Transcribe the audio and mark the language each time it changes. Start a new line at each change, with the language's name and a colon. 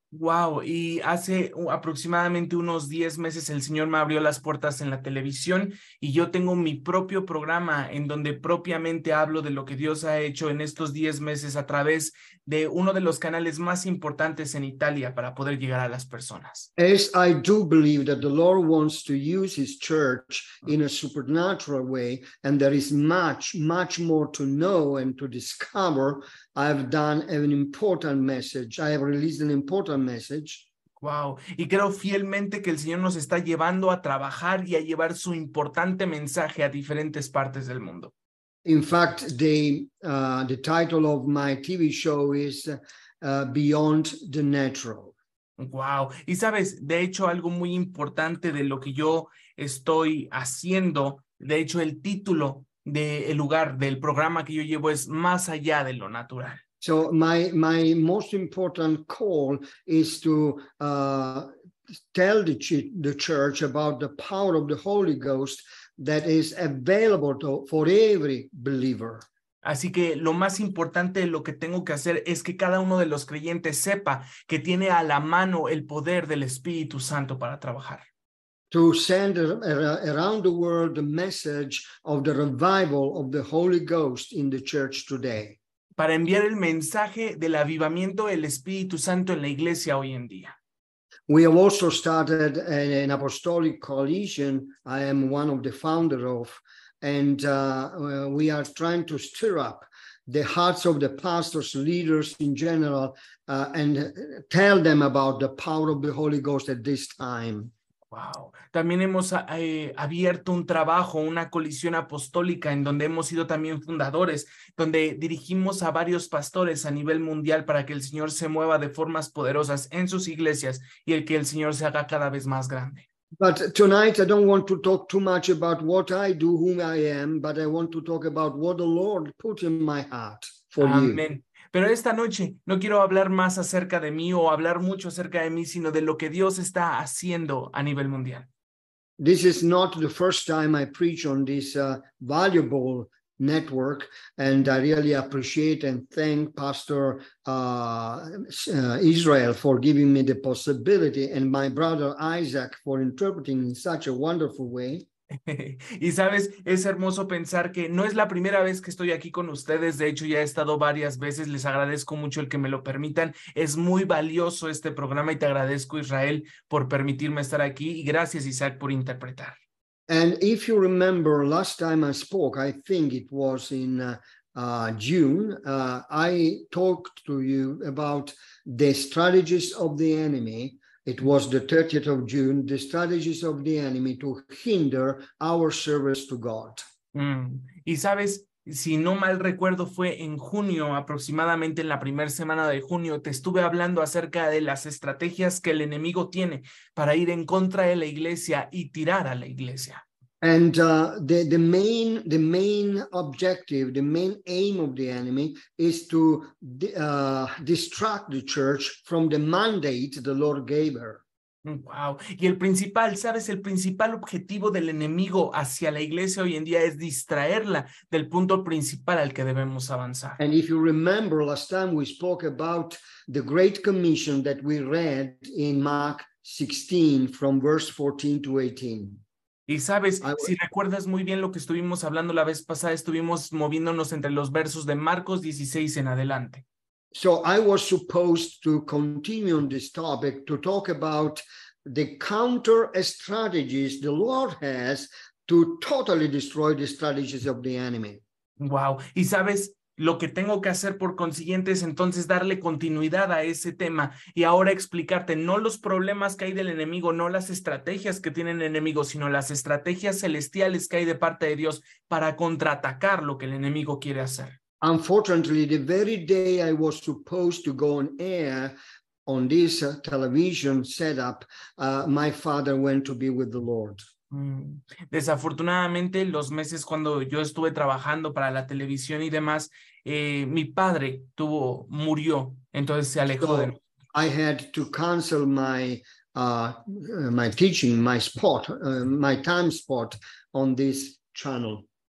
Spanish: Wow, y hace aproximadamente unos 10 meses el Señor me abrió las puertas en la televisión y yo tengo mi propio programa en donde propiamente hablo de lo que Dios ha hecho en estos 10 meses a través de uno de los canales más importantes en Italia para poder llegar a las personas.
English: As I do believe that the Lord wants to use his church in a supernatural way and there is much, much more to know and to discover, I have done an important message. I have released an important message.
Spanish: Wow, y creo fielmente que el Señor nos está llevando a trabajar y a llevar su importante mensaje a diferentes partes del mundo.
English: In fact, the title of my TV show is Beyond the Natural.
Spanish: Wow, y sabes, de hecho, algo muy importante de lo que yo estoy haciendo, de hecho, el título del lugar del programa que yo llevo es Más Allá de lo Natural.
English: So my most important call is to tell the church about the power of the Holy Ghost that is available for every believer.
Spanish: Así que lo más importante de lo que tengo que hacer es que cada uno de los creyentes sepa que tiene a la mano el poder del Espíritu Santo para trabajar.
English: To send around the world the message of the revival of the Holy Ghost in the church today.
Spanish: Para enviar el mensaje del avivamiento del Espíritu Santo en la iglesia hoy en día.
English: We have also started an apostolic coalition. I am one of the founders of, and we are trying to stir up the hearts of the pastors, leaders in general, and tell them about the power of the Holy Ghost at this time. Wow.
Spanish: También hemos abierto un trabajo, una coalición apostólica en donde hemos sido también fundadores, donde dirigimos a varios pastores a nivel mundial para que el Señor se mueva de formas poderosas en sus iglesias y el que el Señor se haga cada vez más grande.
English: But tonight I don't want to talk too much about what I do, whom I am, but I want to talk about what the Lord put in my heart for Amen. You.
Spanish: Amén. Pero esta noche no quiero hablar más acerca de mí o hablar mucho acerca de mí, sino de lo que Dios está haciendo a nivel mundial.
English: This is not the first time I preach on this valuable network, and I really appreciate and thank Pastor Israel for giving me the possibility and my brother Isaac for interpreting in such a wonderful way.
Spanish: Y sabes, es hermoso pensar que no es la primera vez que estoy aquí con ustedes, de hecho ya he estado varias veces, les agradezco mucho el que me lo permitan, es muy valioso este programa y te agradezco Israel por permitirme estar aquí y gracias Isaac por interpretar.
English: And if you remember last time I spoke, I think it was in June, I talked to you about the strategies of the enemy. It was the 30th of June, the strategies of the enemy to hinder our service to God.
Spanish: Y sabes, si no mal recuerdo, fue en junio, aproximadamente en la primera semana de junio, te estuve hablando acerca de las estrategias que el enemigo tiene para ir en contra de la iglesia y tirar a la iglesia.
English: And the main objective, the main aim of the enemy is to distract the church from the mandate the Lord gave her.
Spanish: Wow. Y el principal, ¿sabes? El principal objetivo del enemigo hacia la iglesia hoy en día es distraerla del punto principal al que debemos avanzar.
English: And if you remember last time we spoke about the Great Commission that we read in Mark 16 from verse 14 to 18.
Spanish: Y sabes, si recuerdas muy bien lo que estuvimos hablando la vez pasada, estuvimos moviéndonos entre los versos de Marcos 16 en adelante.
English: So I was supposed to continue on this topic to talk about the counter strategies the Lord has to totally destroy the strategies of the enemy.
Spanish: Wow, y sabes, lo que tengo que hacer por consiguiente es entonces darle continuidad a ese tema y ahora explicarte no los problemas que hay del enemigo, no las estrategias que tiene el enemigo, sino las estrategias celestiales que hay de parte de Dios para contraatacar lo que el enemigo quiere hacer.
English: Unfortunately, the very day I was supposed to go on air on this television setup, my father went to be with the Lord.
Spanish: Desafortunadamente, los meses cuando yo estuve trabajando para la televisión y demás, mi padre murió, entonces se alejó de mí.
English: I had to cancel my teaching, my spot, my time spot on this channel.